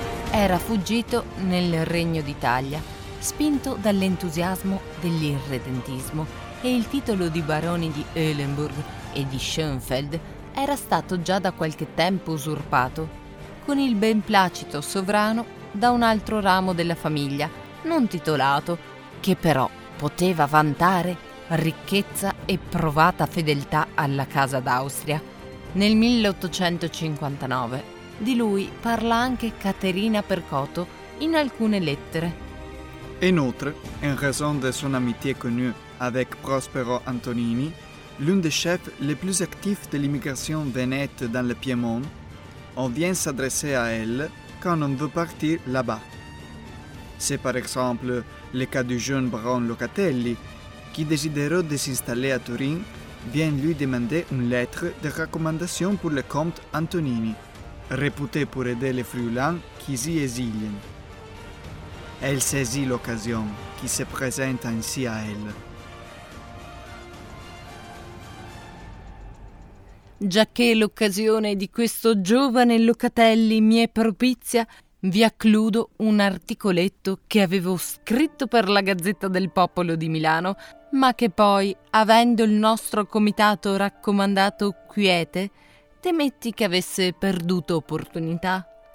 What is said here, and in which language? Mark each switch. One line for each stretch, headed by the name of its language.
Italian: Era fuggito nel Regno d'Italia, spinto dall'entusiasmo dell'irredentismo, e il titolo di baroni di Eulenburg e di Schönfeld era stato già da qualche tempo usurpato, con il benplacito sovrano da un altro ramo della famiglia, non titolato, che però poteva vantare ricchezza e provata fedeltà alla casa d'Austria. Nel 1859 di lui parla anche Caterina Percoto in alcune lettere.
French: In outre, in raison de son amitié connue avec Prospero Antonini, l'un des chefs les plus actifs de l'immigration venette dans le Piémont, on vient s'adresser à elle quand on veut partir là-bas. C'est par exemple le cas du jeune baron Locatelli, qui désireux de s'installer à Turin, vient lui demander une lettre de recommandation pour le comte Antonini, réputé pour aider les Friulans qui s'y exilent. Elle saisit l'occasion qui se présente ainsi à elle.
Italian: Giacché l'occasione di questo giovane Locatelli mi è propizia, vi accludo un articoletto che avevo scritto per la Gazzetta del Popolo di Milano, ma che poi, avendo il nostro comitato raccomandato quiete, temetti che avesse perduto opportunità.